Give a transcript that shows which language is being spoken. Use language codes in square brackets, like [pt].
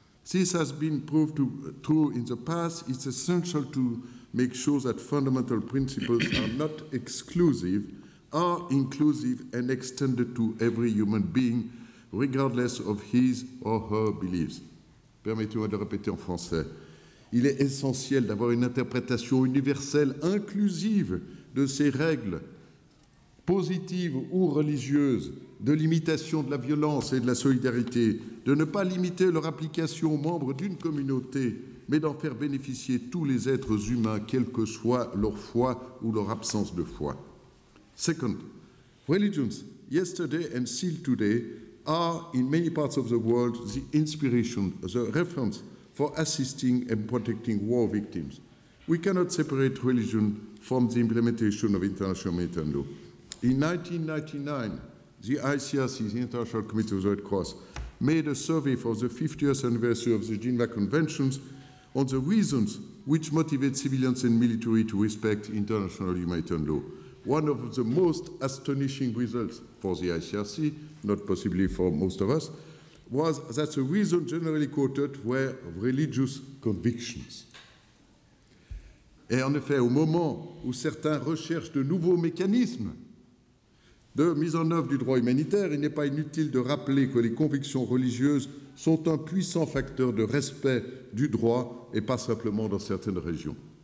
[en] This has been proved to, true in the past. It's essential to make sure that fundamental principles are not exclusive, are inclusive and extended to every human being, regardless of his or her beliefs. [fr] Permettez-moi de répéter en français. Il est essentiel d'avoir une interprétation universelle, inclusive de ces règles, positives ou religieuses, de limitation de la violence et de la solidarité, de ne pas limiter leur application aux membres d'une communauté, mais d'en faire bénéficier tous les êtres humains, quelle que soit leur foi ou leur absence de foi. [en] Second, religions yesterday and still today are, in many parts of the world, the inspiration, the reference for assisting and protecting war victims. We cannot separate religion from the implementation of international humanitarian law. In 1999, the ICRC, the International Committee of the Red Cross, made a survey for the 50th anniversary of the Geneva Conventions on the reasons which motivate civilians and military to respect international humanitarian law. One of the most astonishing results for the ICRC, not possibly for most of us, was that the reasons generally quoted were religious convictions. [fr] Et en effet, au moment où certains recherchent de nouveaux mécanismes de mise en œuvre du droit humanitaire, il n'est pas inutile de rappeler que les convictions religieuses sont un puissant facteur de respect du droit et pas simplement dans certaines régions.